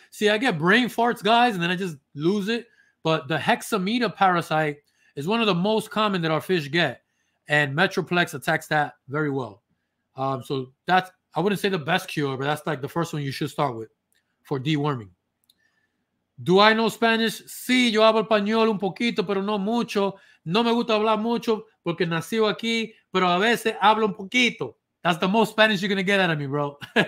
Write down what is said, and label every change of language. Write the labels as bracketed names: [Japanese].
[English] See, I get brain farts, guys, and then I just lose it. But the Hexameter parasite is one of the most common that our fish get, and Metroplex attacks that very well. So that's, I wouldn't say the best cure, but that's like the first one you should start with for deworming. Do I know Spanish? [Spanish] Sí, yo hablo español un poquito, pero no mucho. No me gusta hablar mucho porque nací aquí, pero a veces hablo un poquito. [English] That's the most Spanish you're going to get out of me, bro.